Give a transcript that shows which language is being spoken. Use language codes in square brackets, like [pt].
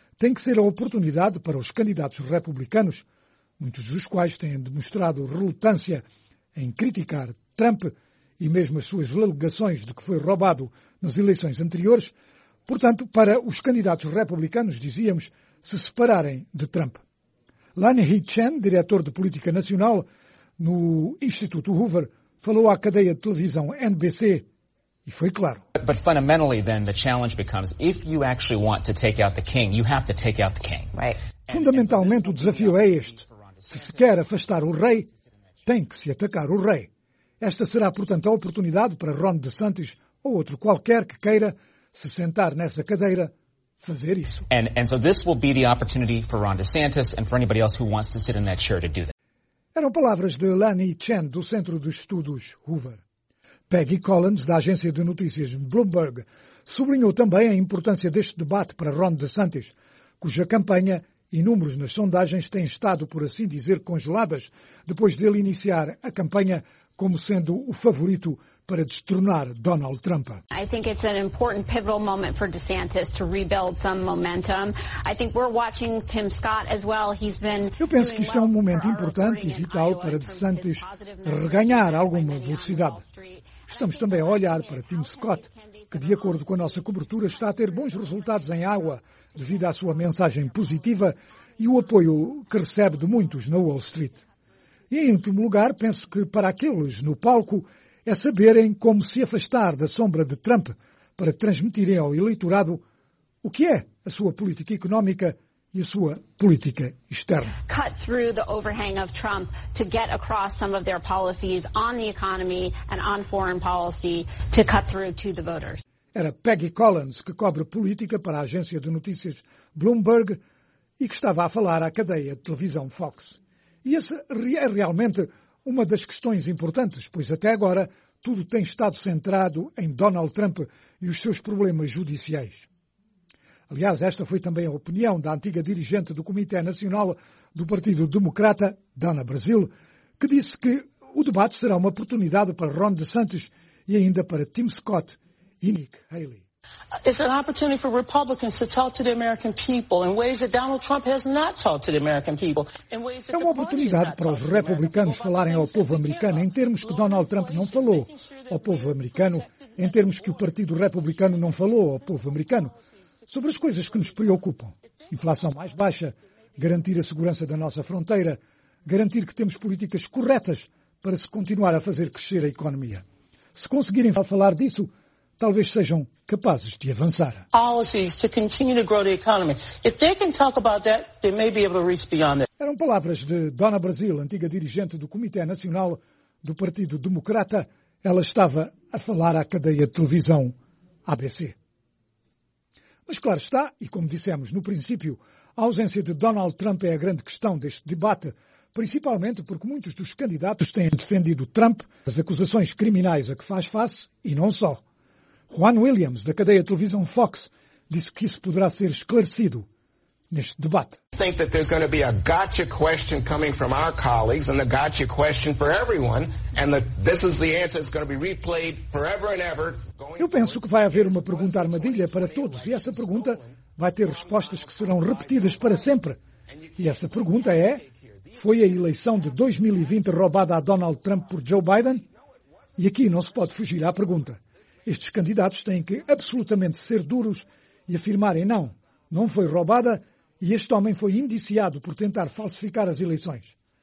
[pt] tem que ser a oportunidade para os candidatos republicanos, muitos dos quais têm demonstrado relutância em criticar Trump e mesmo as suas alegações de que foi roubado nas eleições anteriores, portanto, para os candidatos republicanos, dizíamos, se separarem de Trump. Lanny Chen, diretor de Política Nacional no Instituto Hoover, falou à cadeia de televisão NBC e foi claro. [en] But fundamentally then the challenge becomes if you actually want to take out the king, you have to take out the king. Right. [pt] Fundamentalmente o desafio é este. Se se quer afastar o rei, tem que se atacar o rei. Esta será, portanto, a oportunidade para Ron DeSantis ou outro qualquer que queira se sentar nessa cadeira fazer isso. [en] And so this will be the opportunity for Ron DeSantis and for anybody else who wants to sit in that chair to do that. [pt] Eram palavras de Lanny Chen, do Centro de Estudos Hoover. Peggy Collins, da agência de notícias Bloomberg, sublinhou também a importância deste debate para Ron DeSantis, cuja campanha e números nas sondagens têm estado, por assim dizer, congeladas, depois dele iniciar a campanha como sendo o favorito para destronar Donald Trump. [en] I think it's an important pivotal moment for DeSantis to rebuild some momentum. I think we're watching Tim Scott as well. He's been. [pt] Eu penso que isto é um momento importante e vital para DeSantis reganhar alguma velocidade. Estamos também a olhar para Tim Scott, que de acordo com a nossa cobertura está a ter bons resultados em Iowa devido à sua mensagem positiva e o apoio que recebe de muitos na Wall Street. E em último lugar, penso que para aqueles no palco é saberem como se afastar da sombra de Trump para transmitirem ao eleitorado o que é a sua política económica e a sua política externa. [en] Cut through the overhang of Trump to get across some of their policies on the economy and on foreign policy to cut through to the voters. [pt] Era Peggy Collins, que cobre política para a agência de notícias Bloomberg e que estava a falar à cadeia de televisão Fox. E essa é realmente uma das questões importantes, pois até agora tudo tem estado centrado em Donald Trump e os seus problemas judiciais. Aliás, esta foi também a opinião da antiga dirigente do Comitê Nacional do Partido Democrata, Dana Brasil, que disse que o debate será uma oportunidade para Ron DeSantis e ainda para Tim Scott e Nick Haley. [en] It's an opportunity for Republicans to talk to the American people in ways that Donald Trump has not talked to the American people. [pt] É uma oportunidade para os republicanos falarem ao povo americano em termos que Donald Trump não falou ao povo americano, em termos que o Partido Republicano não falou ao povo americano, sobre as coisas que nos preocupam. Inflação mais baixa, garantir a segurança da nossa fronteira, garantir que temos políticas corretas para se continuar a fazer crescer a economia. Se conseguirem falar disso, talvez sejam capazes de avançar. Eram palavras de Dona Brasil, antiga dirigente do Comitê Nacional do Partido Democrata. Ela estava a falar à cadeia de televisão ABC. Mas claro está, e como dissemos no princípio, a ausência de Donald Trump é a grande questão deste debate, principalmente porque muitos dos candidatos têm defendido Trump das acusações criminais a que faz face, e não só. Juan Williams, da cadeia de televisão Fox, disse que isso poderá ser esclarecido neste debate. [en] Think that there's going to be a gotcha question coming from our colleagues and the gotcha question for everyone and that this is the answer that's going to be replayed forever and ever. [pt] Eu penso que vai haver uma pergunta armadilha para todos e essa pergunta vai ter respostas que serão repetidas para sempre. E essa pergunta é: foi a eleição de 2020 roubada a Donald Trump por Joe Biden? E aqui não se pode fugir à pergunta. Estes candidatos têm que absolutamente ser duros e afirmarem não, não foi roubada e este homem foi indiciado por tentar falsificar as eleições.